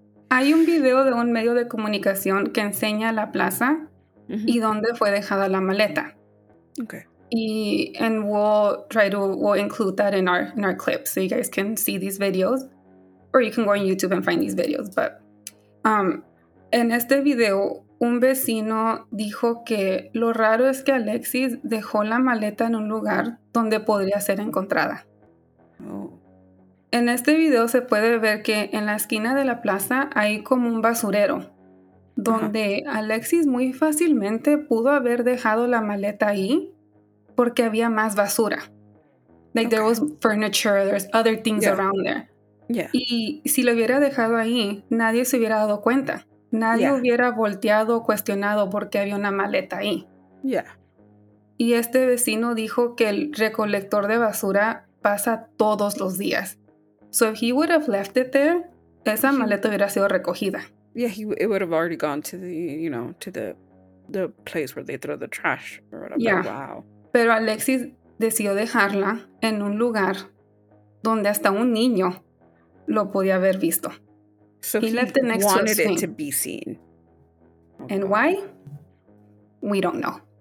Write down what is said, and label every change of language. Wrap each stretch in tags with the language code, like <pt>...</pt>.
<es>Hay un video de un medio de comunicación que enseña la plaza mm-hmm. y dónde fue dejada la maleta.</es> <en>Okay. And we'll include that in our clip so you guys can see these videos. Or you can go on YouTube and find these videos. But</en> <es>en este video, un vecino dijo que lo raro es que Alexis dejó la maleta en un lugar donde podría ser encontrada.</es> <en>Oh.</en> <es>En este video se puede ver que en la esquina de la plaza hay como un basurero donde uh-huh. Alexis muy fácilmente pudo haber dejado la maleta ahí porque había más basura.</es> <en>Like okay. There was furniture, there's other things yeah. around there. Yeah.</en> <es>Y si lo hubiera dejado ahí, nadie se hubiera dado cuenta. Nadie</es> <en>yeah.</en> <es>hubiera volteado o cuestionado porque había una maleta ahí.</es> <en>Yeah.</en> <es>Y este vecino dijo que el recolector de basura pasa todos los días.</es> <en>So if he would have left it there,</en> <es>esa maleta hubiera sido recogida.</es> <en>Yeah, it would have already gone to the, you know, to the place where they throw the trash or whatever. Yeah. Wow.</en> <es>Pero Alexis decidió dejarla en un lugar donde hasta un niño lo podía haber visto.</es> <en>So he left it next wanted to it to be seen. Oh, and God. Why? We don't know.</en>